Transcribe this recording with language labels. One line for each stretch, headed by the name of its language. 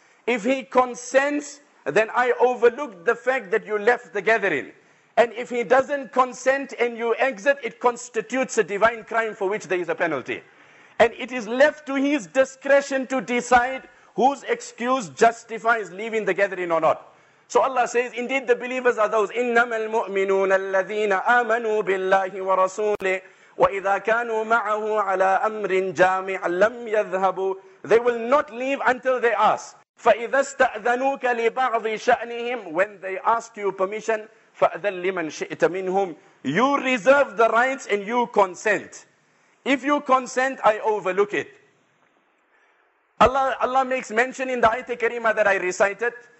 English: If he consents, then I overlooked the fact that you left the gathering. And if he doesn't consent and you exit, it constitutes a divine crime for which there is a penalty. And it is left to his discretion to decide whose excuse justifies leaving the gathering or not. So Allah says, indeed the believers are those.
Arabic: إِنَّمَا الْمُؤْمِنُونَ الَّذِينَ آمَنُوا بِاللَّهِ وَرَسُولِهِ وَإِذَا كَانُوا مَعَهُ عَلَىٰ أَمْرٍ جَامِعًا لَمْ يَذْهَبُوا
English: They will not leave until they ask.
Arabic: فَإِذَا اسْتَأْذَنُوكَ لِبَعْضِ شَأْنِهِمْ
English: When they ask you permission,
Arabic: فَأَذَن لِمَنْ شِئْتَ مِنْهُمْ
English: You reserve the rights and you consent. If you consent, I overlook it. Allah makes mention in the ayat-e kareema that I recited.